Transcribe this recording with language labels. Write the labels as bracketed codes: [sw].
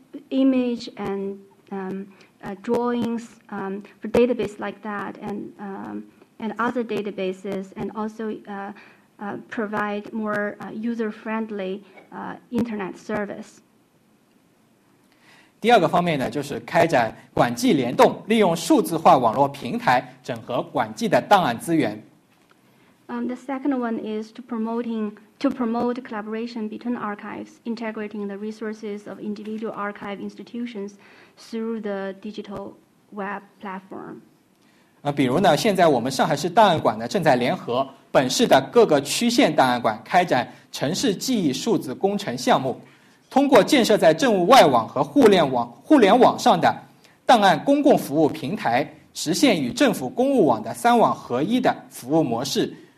[en] image and drawings for database like that and other databases, and also provide more user-friendly internet service. [zh] 第二个方面呢，就是开展馆际联动，利用数字化网络平台整合馆际的档案资源。 [en] The second one is to promote collaboration between archives, integrating the resources of individual archive institutions through the digital web platform. [zh] 比如呢，现在我们上海市档案馆呢正在联合本市的各个区县档案馆开展城市记忆数字工程项目，通过建设在政务外网和互联网上的档案公共服务平台，实现与政府公务网的三网合一的服务模式。